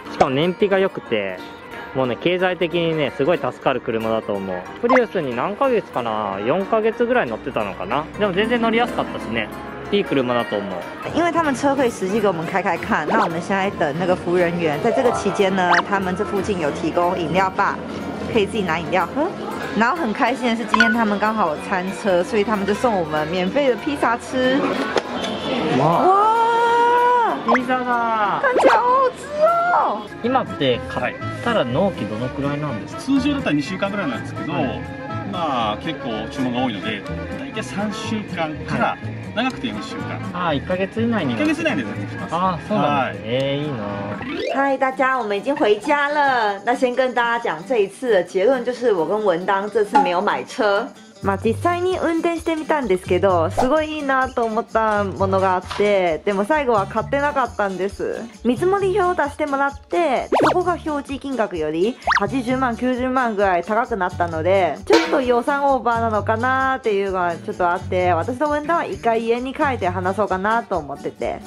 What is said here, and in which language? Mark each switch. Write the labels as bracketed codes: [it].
[ja] しかも燃費が良くて、もうね、経済的にね、すごい助かる車だと思う。プリウスに何ヶ月かな、4ヶ月ぐらい乗ってたのかな。でも全然乗りやすかったしね、いい車だと思う。 [zh] 因为他们车会实际给我们开开看，那我们现在等那个服务人员。在这个期间呢，他们这附近有提供饮料吧，可以自己拿饮料喝。然后很开心的是，今天他们刚好有餐车，所以他们就送我们免费的披萨吃。 [ja] 哇！哇ピザだ。感じ [zh] 好吃哦。 [ja] 今って買ったら納期どのくらいなんですか。通常だったら2週間ぐらいなんですけど、まあ結構注文が多いので大体3週間から長くて4週間。ああ、1ヶ月以内に。 1ヶ月以内で全然します。ああ、そうなんだ。いいな。 [zh] 嗨，大家，我们已经回家了。那先跟大家讲这一次的结论，就是我跟文当这次没有买车。 [ja] まあ実際に運転してみたんですけど、すごいいいなと思ったものがあって、でも最後は買ってなかったんです。見積もり表を出してもらって、そこが表示金額より80万90万ぐらい高くなったので、ちょっと予算オーバーなのかなっていうのがちょっとあって、私と文旦は一回家に帰って話そうかなと思ってて、